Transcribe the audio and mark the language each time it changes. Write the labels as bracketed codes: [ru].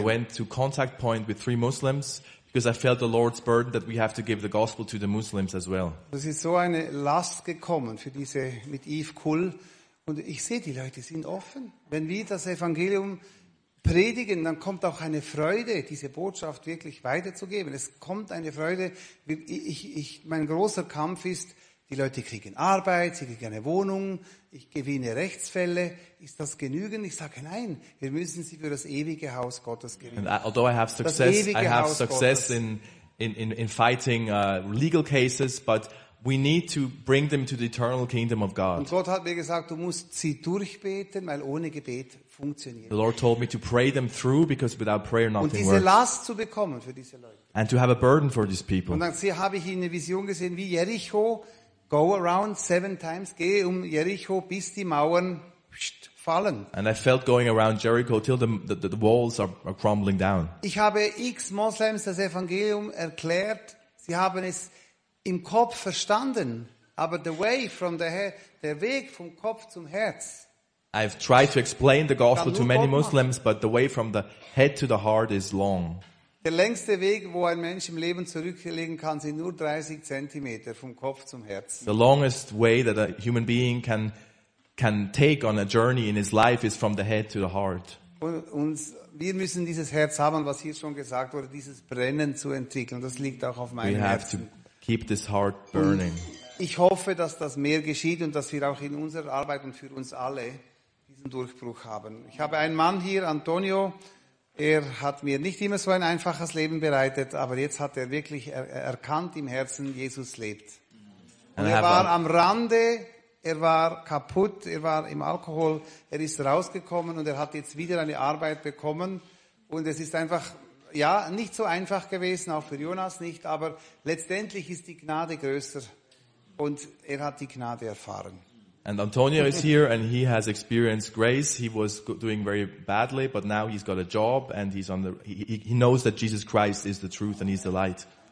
[en] I went to Contact Point with 3 Muslims, because I felt the Lord's burden that we have to give the gospel to the Muslims as well. [de] Das ist so eine Last gekommen für diese mit Eve Kull, und ich sehe, die Leute sind offen. Wenn wir das Evangelium predigen, dann kommt auch eine Freude, diese Botschaft wirklich weiterzugeben. Es kommt eine Freude. Mein großer Kampf ist, Die Leute kriegen Arbeit, sie kriegen eine Wohnung, ich gewinne Rechtsfälle. Ist das genügend? Ich sage nein, wir müssen sie für das ewige Haus Gottes gewinnen. [en] And although I have success, in fighting legal cases, but we need to bring them to the eternal kingdom of God. [de] Und Gott hat mir gesagt, du musst sie durchbeten, weil ohne Gebet funktioniert. [en] The Lord told me to pray them through because without prayer nothing works. [de] Und diese Last zu bekommen für diese Leute. [en] And to have a burden for these people. [de] Und dann habe ich eine Vision gesehen, wie Jericho. [en] Go around 7 times, [de] geh Jericho, bis die Mauern fallen. [en] And I felt going around Jericho till the walls are crumbling down. [de] Ich habe x Moslems das Evangelium erklärt. Sie haben es im Kopf verstanden, aber der Weg vom Kopf zum Herz. [en] I've tried to explain the gospel to many Muslims, but the way from the head to the heart is long. [de] Der längste Weg, wo ein Mensch im Leben zurücklegen kann, sind nur 30 Zentimeter vom Kopf zum Herz. [en] The longest way that a human being can take on a journey in his life is from the head to the heart. [de] Und wir müssen dieses Herz haben, was hier schon gesagt wurde, dieses Brennen zu entwickeln. Das liegt auch auf meinem Herzen. [en] We have to keep this heart burning. [de] Ich hoffe, dass das mehr geschieht und dass wir auch in unserer Arbeit und für uns alle diesen Durchbruch haben. Ich habe einen Mann hier, Antonio. Er hat mir nicht immer so ein einfaches Leben bereitet, aber jetzt hat er wirklich erkannt im Herzen, Jesus lebt. Und er war am Rande, er war kaputt, er war im Alkohol, er ist rausgekommen und er hat jetzt wieder eine Arbeit bekommen. Und es ist einfach, ja, nicht so einfach gewesen, auch für Jonas nicht, aber letztendlich ist die Gnade größer und er hat die Gnade erfahren. [en] And Antonio is here and he has experienced grace. He was doing very badly, but now he's got a job and he knows that Jesus Christ is the truth and he's the light.